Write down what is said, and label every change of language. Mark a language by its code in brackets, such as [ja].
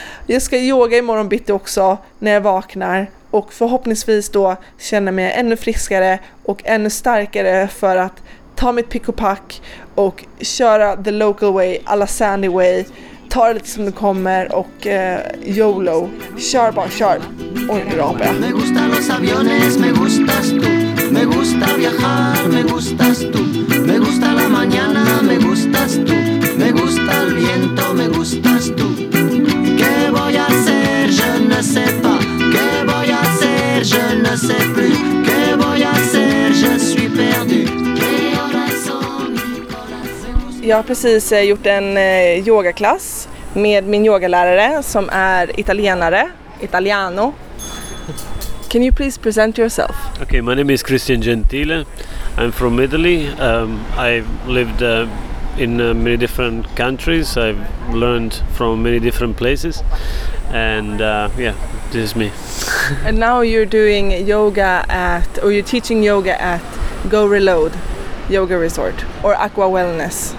[sv] Jag ska yoga imorgon bitti också när jag vaknar och förhoppningsvis då känna mig ännu friskare och ännu starkare för att ta mitt pick och pack och köra [en] the local way, a la Sandy way, [sv] ta det lite som det kommer och YOLO, kör bara, kör och nu rapar jag. [es] Me gusta los aviones, me gustas tú. Me gusta viajar, me gustas tú. Me gusta la mañana, me gustas tú. Me gusta el viento, me gustas tú. ¿Qué voy a hacer? [fr] Je ne sais pas. [es] ¿Qué voy a hacer? [fr] Je ne sais plus. [es] ¿Qué voy a hacer? [fr] Je suis perdu. [sv] Jag har precis gjort en yogaklass med min yogalärare som är italienare, italiano. [en] Can you please present yourself? Okay, my name is Christian Gentile. I'm from Italy. I've lived in many different countries. I've learned from many different places. And yeah, this is me. And now you're doing yoga at, or you're teaching yoga at Go Reload Yoga Resort or Aqua Wellness.